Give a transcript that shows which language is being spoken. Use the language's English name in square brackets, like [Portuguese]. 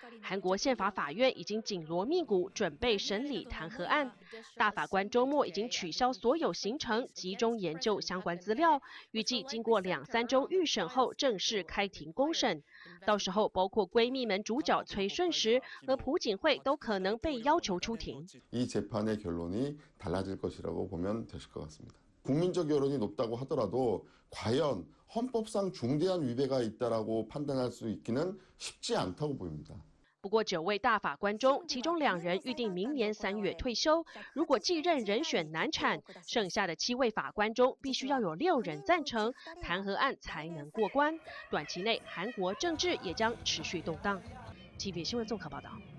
[Chinese] 韩国宪法法院已经紧锣密鼓准备审理弹劾案，大法官周末已经取消所有行程，集中研究相关资料，预计经过2-3周预审后正式开庭公审。到时候，包括闺蜜们主角崔顺实和朴槿惠都可能被要求出庭。 [Korean] 이재판의결론이 달라질 것이라고 보면 되실 것 같습니다. 국민적 여론이 높다고 하더라도 과연 헌법상 중대한 위배가 있다라고 판단할 수 있기는 쉽지 않다고 보입니다. [Chinese] 不过，九位大法官中，其中两人预定明年三月退休。如果继任人选难产，剩下的七位法官中必须要有六人赞成，弹劾案才能过关。短期内，韩国政治也将持续动荡。TVBS新闻综合报道。